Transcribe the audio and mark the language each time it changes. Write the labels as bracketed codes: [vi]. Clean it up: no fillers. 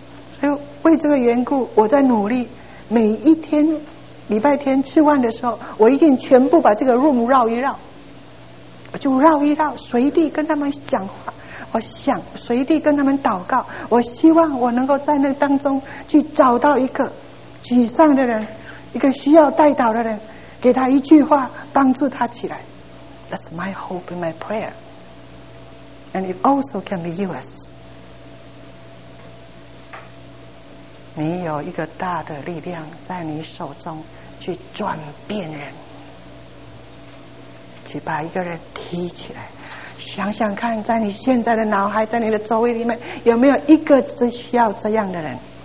[zh] 所以为这个缘故，我在努力每一天礼拜天吃饭的时候，我一定全部把这个 room 绕一绕，就绕一绕，随地跟他们讲话，我想随地跟他们祷告，我希望我能够在那当中去找到一个沮丧的人，一个需要代祷的人，给他一句话帮助他起来。 [en] That's my hope and my prayer, and it also can be yours. [zh] 你有一个大的力量在你手中去转变人，去把一个人提起来。想想看，在你现在的脑海，在你的周围里面，有没有一个是需要这样的人？